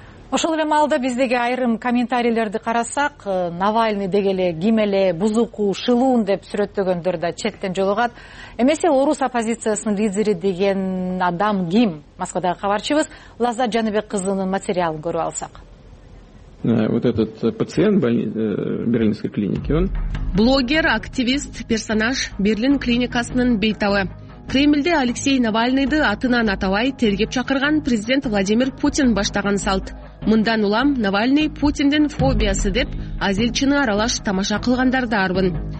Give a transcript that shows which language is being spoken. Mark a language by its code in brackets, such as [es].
[ky] Ошол эле маалда биздеги айрым комментарийлерди карасак, Навальный деги эле ким эле бузуку, шылуун деп сүрөттөгөндөр да четтен жолугат. Эмесе орус оппозициясынын лидери деген адам ким? Москвадагы кабарчыбыз Лаза Жаныбек кызынын материалын көрүп алсак. [ru] Вот этот пациент Берлинской клиники, он [ky] блогер, активист, персонаж Берлин клиникасынын бейтабы. Кремльде Алексей Навальныйды атынан атабай тергеп чакырган президент Владимир Путин баштаган салт. Мындан улам Навальный Путиндин фобиясы деп азелчини аралаш тамаша кылгандар да арбын.